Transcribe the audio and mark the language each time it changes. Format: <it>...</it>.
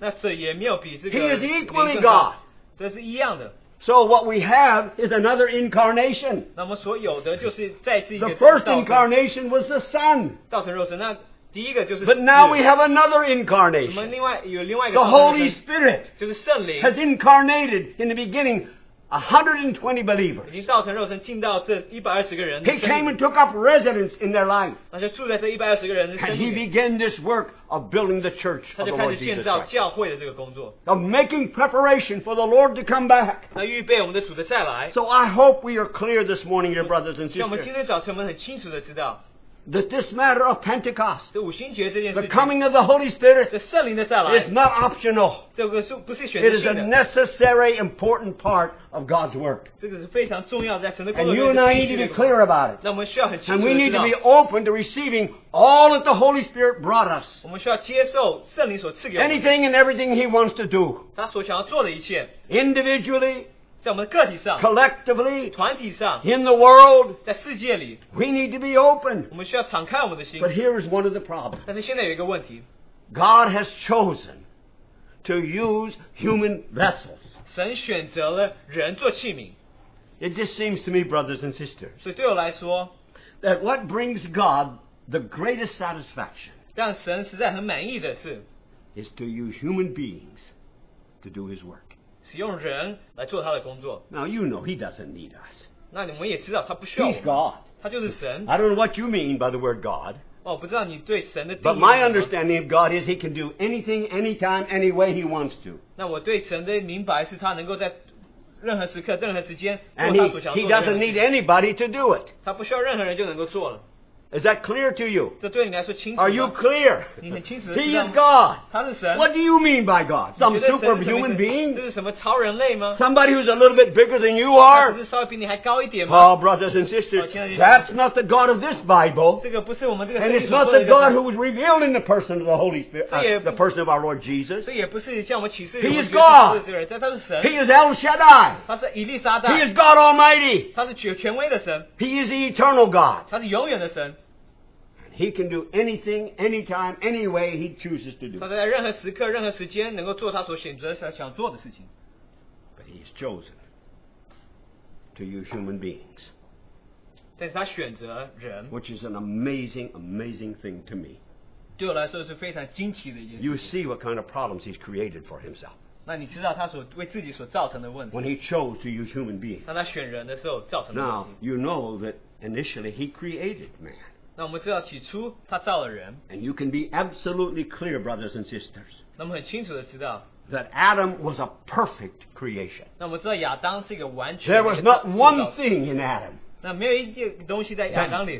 <en>He is equally God. So what we have is another incarnation. The first incarnation was the Son. But now we have another incarnation. The Holy Spirit has incarnated in the beginning 120 believers.</en> <zh>已经道成肉身, 进到这120个人的生命,</zh> <en>he came and took up residence in their life.</en> <zh>那就住在这120个人的生命,</zh> <en>and he began this work of building the church of the Lord Jesus Christ.</en> <zh>他就开始建造教会的这个工作,</zh> <en>of making preparation for the Lord to come back.</en> <zh>那预备我们的主的再来,</zh> <en>so I hope we are clear this morning, your brothers and sisters. That this matter of Pentecost,</en> <zh>这五旬节这件事情,</zh> <en>the coming of the Holy Spirit,</en> <zh>这圣灵的再来,</zh> <en>is not optional.</en> <zh>这个是不是选择性的,</zh> <en>it is a necessary, important part of God's work.</en> <zh>这个是非常重要的,</zh> <en>and you and I need to be clear about it.</en> <zh>那我们需要很清楚地知道,</zh> <en>and we need to be open to receiving all that the Holy Spirit brought us.</en> <zh>我们需要接受圣灵所赐给我们,</zh> <en>anything and everything He wants to do.</en> <zh>他所想要做的一切,</zh> <en>individually,</en> <zh>在我们的个体上,</zh> <en>collectively,</en> <zh>团体上,</zh> <en>in the world,</en> <zh>在世界里,</zh> <en>we need to be open.</en> <zh>我们需要敞开我们的心,</zh> <en>but here is one of the problems.</en> <zh>但是现在有一个问题,</zh> <en>God has chosen to use human vessels.</en> <zh>神选择了人做器皿,</zh> <en>it just seems to me, brothers and sisters,</en> <zh>所以对我来说,</zh> <en>that what brings God the greatest satisfaction,</en> <zh>让神实在很满意的是,</zh> <en>is to use human beings to do His work.</en> <zh>使用人来做他的工作,</zh> <en>now you know He doesn't need us.</en> <zh>那你们也知道他不需要我们,</zh> <en>He's God.</en> <zh>他就是神,</zh> <en>I don't know what you mean by the word God. 哦, but my understanding of God is He can do anything, anytime, any way He wants to.</en> <zh>那我对神的明白是他能够在任何时刻, 任何时间,</zh> <en>and he doesn't need anybody to do it.</en> <zh>他不需要任何人就能够做了,</zh> <en>is that clear to you?</en> <zh>这对你来说清楚吗?</zh> <en>Are you clear?</en> <zh>你很清楚地知道,</zh> <en>He is God.</en> <zh>他是神,</zh> <en>what do you mean by God? Some superhuman being?</en> <zh>这是什么超人类吗?</zh> <en>Somebody who's a little bit bigger than you are? Oh, brothers and sisters, 哦, that's not the God of this Bible.</en> <zh>这个不是我们这个,</zh> <en>and it's not the God who was revealed in the person of the Holy Spirit, the person of our Lord Jesus. He is God. He is El Shaddai.</en> <zh>他是以利沙代,</zh> <en>He is God Almighty.</en> <zh>他是全威的神,</zh> <en>He is the eternal God.</en> <zh>他是永远的神,</zh> <en>He can do anything, anytime, any way He chooses to do.</en> <zh>他在任何时刻、任何时间能够做他所选择、想做的事情。</zh> <en>But He has chosen to use human beings.</en> <zh>但是他选择人,</zh> <en>which is an amazing, amazing thing to me.</en> <zh>对我来说是非常惊奇的一件事情。</zh> <en>You see what kind of problems He's created for Himself.</en> <zh>那你知道他所为自己所造成的问题。</zh> <en>When He chose to use human beings.</en> <zh>当他选人的时候造成的问题。</zh> <en>Now, you know that initially He created man.</en> <zh>那我们知道起初他造了人,</zh> <en>and you can be absolutely clear, brothers and sisters,</en> <zh>那么很清楚地知道,</zh> <en>that Adam was a perfect creation.</en> <zh>那我们知道亚当是一个完全的,</zh> <en>there was not one thing in Adam</en> <zh>那没有一件东西在亚当里,</zh>